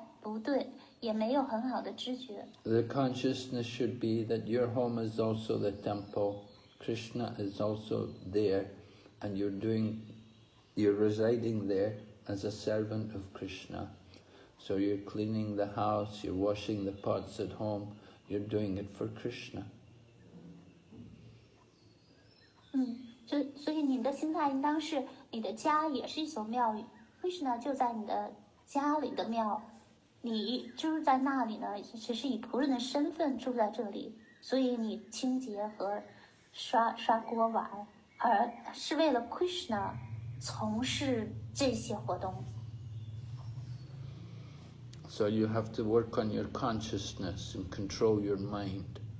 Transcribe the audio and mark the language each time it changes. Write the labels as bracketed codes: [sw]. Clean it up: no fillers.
[zh] 是的，你的心态不对，也没有很好的知觉。 [en] The consciousness should be that your home is also the temple, Krishna is also there, and you're residing there as a servant of Krishna. So you're cleaning the house, you're washing the pots at home. You're doing it for Krishna. [zh] 所以你的心态应当是你的家也是一所庙宇， Krishna 就在你的家里的庙， 你住在那里呢， 只是以仆人的身份住在这里， 所以你清洁和刷锅碗， 而是为了 Krishna 从事这些活动。 [en] So you have to work on your consciousness and control your mind.